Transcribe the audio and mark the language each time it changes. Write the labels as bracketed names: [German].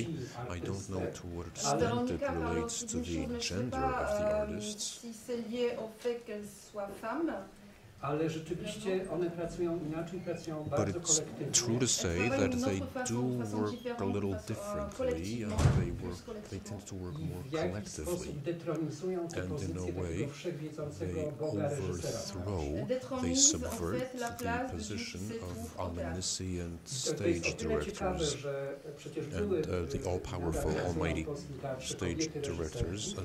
[English] I don't know to what extent it relates to the gender of the artists. [French] Si c'est lié au fait qu'elle soit femme. [Polish] Ale rzeczywiście one pracują inaczej, pracują bardzo kolektywnie. [English] But it's true to say that they do work a little differently. They tend to work more collectively. And in a way, they overthrow, they subvert the position of omniscient stage directors and the all-powerful, almighty stage directors.